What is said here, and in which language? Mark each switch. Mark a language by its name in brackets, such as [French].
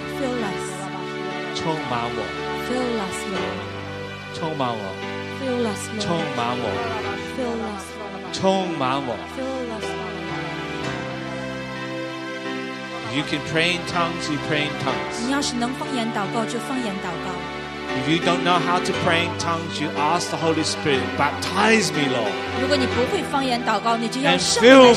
[English] Fill us. [Chinese] 充满我。 [English] Fill us, Lord. [Chinese] 充满我。 [English] Fill us, Lord. [Chinese] 充满我。 [English] Fill us. [Chinese] 充满我。 [English] Fill us, Lord. If you can pray in tongues, you pray in tongues. [Chinese] 你要是能方言祷告，就方言祷告。 [English] If you don't know how to pray in tongues, you ask the Holy Spirit, baptize me, Lord. [Chinese] 如果你不会方言祷告，你就要圣灵的